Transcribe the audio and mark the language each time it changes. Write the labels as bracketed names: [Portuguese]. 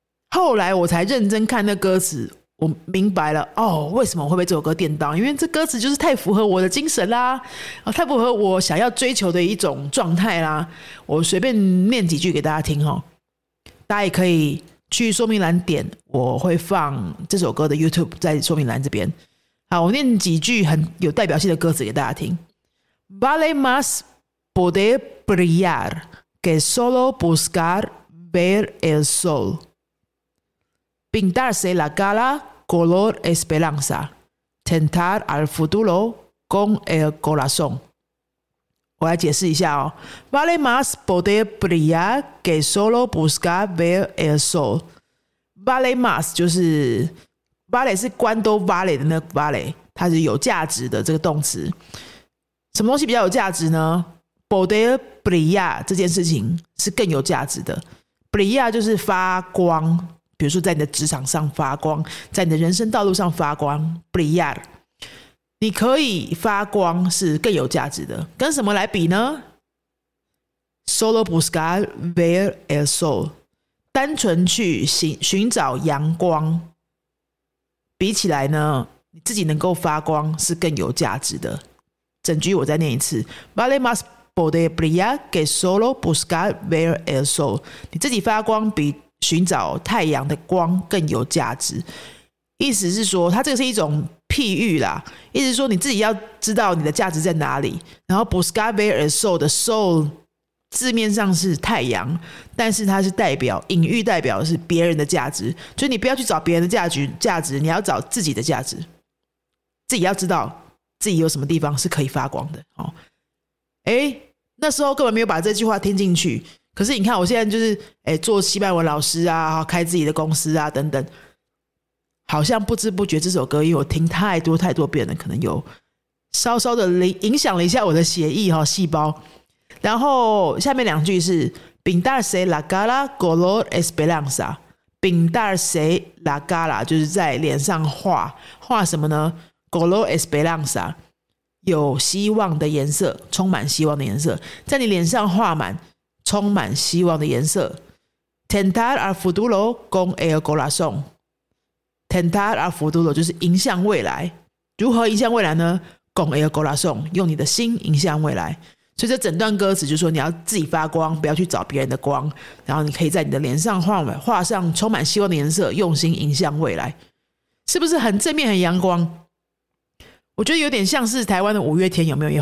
[Chinese] 后来我才认真看那歌词，我明白了哦，为什么会被这首歌电到，因为这歌词就是太符合我的精神啦，太符合我想要追求的一种状态啦。我随便念几句给大家听，大家也可以去说明栏点，我会放这首歌的 YouTube 在说明栏这边。好，我念几句很有代表性的歌词给大家听。 [Spanish] Vale más poder brillar que solo buscar ver el sol. Pintarse la cara color esperanza. Tentar al futuro con el corazón. [Chinese] 我来解释一下哦。 [Spanish] Vale más poder brillar que solo buscar ver el sol. Vale más [Chinese] 就是 Vale 是 [Spanish] cuando vale [Chinese] 的那个 vale， 它是有价值的这个动词。什么东西比较有价值呢？ [Spanish] Poder brillar [Chinese] 这件事情是更有价值的。 Brillar 就是发光，比如说在你的职场上发光，在你的人生道路上发光。 Brillar 你可以发光是更有价值的，跟什么来比呢？ [Spanish] Solo buscar ver el sol， [Chinese] 单纯去寻找阳光，比起来呢，你自己能够发光是更有价值的。整句我再念一次。 [Spanish] Vale más Poder brillar que solo buscar ver el sol， [Chinese] 你自己发光比寻找太阳的光更有价值。意思是说，它这个是一种譬喻啦，意思是说你自己要知道你的价值在哪里。然后 [Spanish] buscar ver el sol [Chinese] 的 sol 字面上是太阳，但是它是代表隐喻，代表的是别人的价值，所以你不要去找别人的价值，你要找自己的价值，自己要知道自己有什么地方是可以发光的。好，那时候根本没有把这句话听进去，可是你看我现在就是做西班牙文老师啊，开自己的公司啊等等，好像不知不觉这首歌因为我听太多太多遍了，可能有稍稍的影响了一下我的血液细胞。然后下面两句是 [Spanish] Pintarse la cara color esperanza， Pintarse la cara [Chinese] 就是在脸上画画什么呢？ [Spanish] color esperanza， [Chinese] 有希望的颜色，充满希望的颜色，在你脸上画满充满希望的颜色。 [Spanish] Tentar al futuro con el corazón， Tentar al futuro [Chinese] 就是迎向未来。如何迎向未来呢？ [Spanish] Con el corazón， [Chinese] 用你的心迎向未来。所以这整段歌词就是说你要自己发光，不要去找别人的光，然后你可以在你的脸上画上充满希望的颜色，用心迎向未来。是不是很正面很阳光？我觉得有点像是台湾的五月天，有没有？